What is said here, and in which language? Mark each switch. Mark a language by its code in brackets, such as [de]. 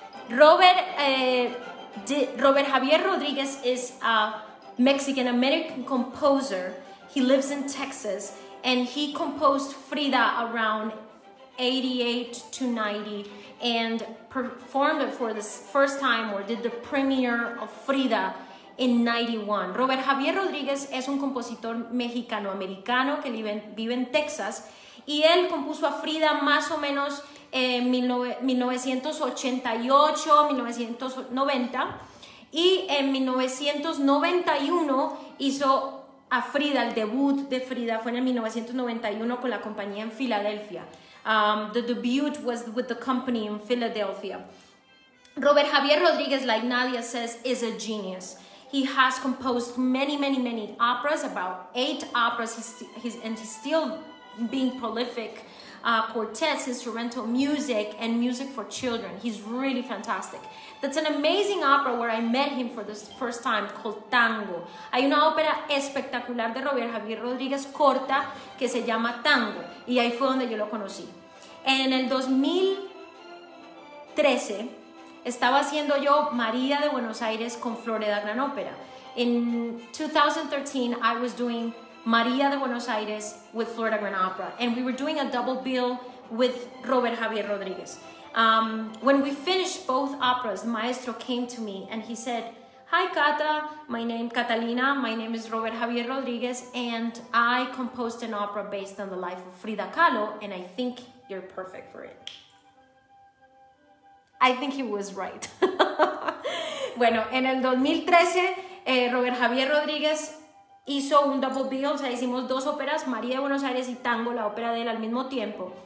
[en] Robert Xavier Rodriguez is a Mexican-American composer. He lives in Texas. And he composed Frida around 88 to 90 and performed it for the first time or did the premiere of Frida in 91. [es] Robert Xavier Rodriguez es un compositor mexicano-americano que vive en Texas y él compuso a Frida más o menos en 1988, 1990 y en 1991 hizo a Frida, el debut de Frida fue en el 1991 con la compañía en Filadelfia. [en] The debut was with the company in Philadelphia. Robert Xavier Rodriguez, like Nadia says, is a genius. He has composed many, many, many operas, about 8 operas, and he's still being prolific. Quartets, instrumental music, and music for children. He's really fantastic. That's an amazing opera where I met him for the first time, called Tango. [es] Hay una ópera espectacular de Robert Xavier Rodriguez corta que se llama Tango, y ahí fue donde yo lo conocí. En el 2013, estaba haciendo yo María de Buenos Aires con Florida Gran Ópera. [en] In 2013, I was doing María de Buenos Aires with Florida Grand Opera, and we were doing a double bill with Robert Xavier Rodriguez. When we finished both operas, the maestro came to me and he said, "Hi Cata, my name Catalina, my name is Robert Xavier Rodriguez, and I composed an opera based on the life of Frida Kahlo, and I think you're perfect for it." I think he was right. [es] Bueno, en el 2013, Robert Xavier Rodriguez hizo un [en] double bill, [es] o sea, hicimos dos óperas, María de Buenos Aires y Tango, la ópera de él, al mismo tiempo.